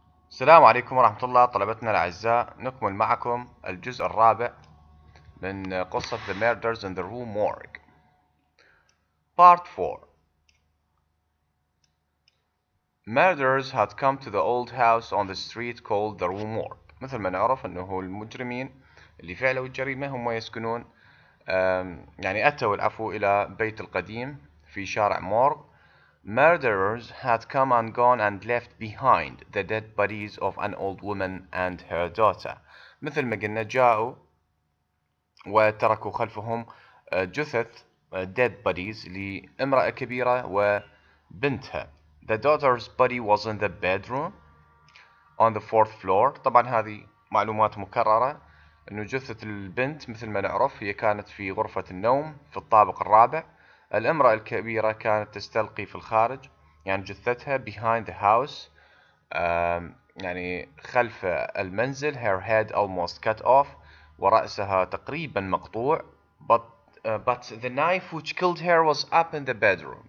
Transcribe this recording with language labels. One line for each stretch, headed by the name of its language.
Arabic: السلام عليكم ورحمة الله طلبتنا الأعزاء، نكمل معكم الجزء الرابع من قصة
English: The Murders in the Room Morgue Part 4. Murders had come to the old house on the street called the Room Morgue.
Arabic: مثل ما نعرف أنه المجرمين اللي فعلوا الجريمة هم يسكنون يعني أتوا العفو إلى بيت القديم في شارع مورغ.
English: Murderers had come and gone and left behind the dead bodies of an old woman and her daughter.
Arabic: مثل ما قلنا جاءوا وتركوا خلفهم جثث
English: dead bodies
Arabic: لامرأة كبيرة وبنتها.
English: The daughter's body was in the bedroom on the fourth floor.
Arabic: طبعا هذه معلومات مكررة انه جثث البنت مثل ما نعرف هي كانت في غرفة النوم في الطابق الرابع. الامرأة الكبيرة كانت تستلقي في الخارج يعني جثتها
English: behind the house
Arabic: يعني خلف المنزل.
English: Her head almost cut off
Arabic: ورأسها تقريبا مقطوع.
English: But the knife which killed her was up in the bedroom.